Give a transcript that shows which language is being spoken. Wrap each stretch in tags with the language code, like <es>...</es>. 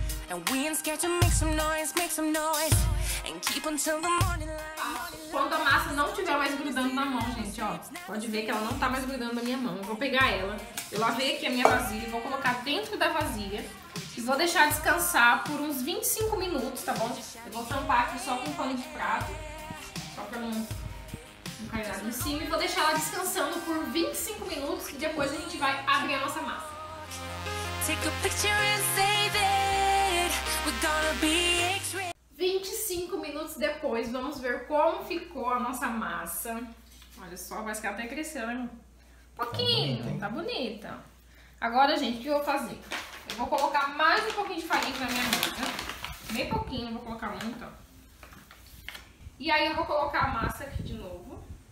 <en>And we ain't scared to make some noise, and keep until the morning light.</en> <pt>Quando a massa não estiver mais grudando na mão, gente, ó, pode ver que ela não tá mais grudando na minha mão. Eu vou pegar ela, eu lavei aqui a minha vasilha, vou colocar dentro da vasilha e vou deixar descansar por uns 25 minutos, tá bom? Eu vou tampar aqui só com um pano de prato, só pra não cair nada em cima, e vou deixar ela descansando por 25 minutos e depois a gente vai abrir a nossa massa.</pt> <en>Take a picture and save it. We're gonna be extreme.</en> <pt>25 minutos depois, vamos ver como ficou a nossa massa. Olha só, parece que ela até cresceu, hein? Um pouquinho, tá bonita. Agora, gente, o que eu vou fazer? Eu vou colocar mais um pouquinho de farinha na minha mesa. Bem pouquinho, vou colocar muito, ó. E aí eu vou colocar a massa aqui de novo.</pt>